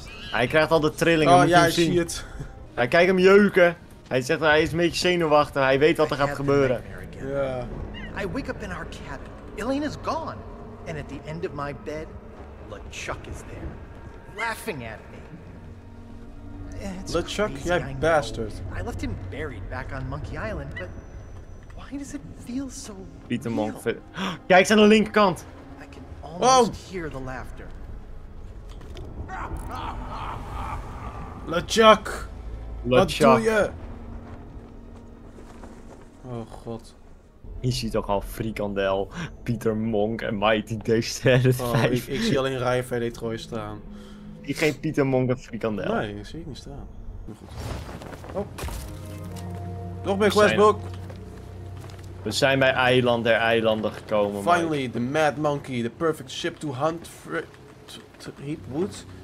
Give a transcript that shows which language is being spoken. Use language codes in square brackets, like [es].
[nl] Hij krijgt al de trillingen. Oh ja, ik zie het. Hij kijkt hem jeuken. Hij zegt dat hij is een beetje zenuwachtig. Hij weet wat er gaat gebeuren. Ja. [en] I wake up in our cabin. Elaine is gone. And at the end of my bed, LeChuck is there. Laughing at me. LeChuck, [nl] jij bastard. [en] I left him buried back on Monkey Island, but... Why does it feel so Pieter Monk. [nl] Kijk eens aan de linkerkant. [en] I can almost hear the laughter. LeChuck. LeChuck. [nl] Wat doe je? Oh god. Je ziet toch al Frikandel, Pieter Monk en Mighty Dexter 5. Ik zie alleen Ryan VD Troy staan. Ik geef Pieter Monk en Frikandel. Nee, dat zie ik niet staan. Oh. Nog meer questbook. We zijn bij Eiland der Eilanden gekomen. [en] Finally, the mad monkey, the perfect ship to hunt to eat wood.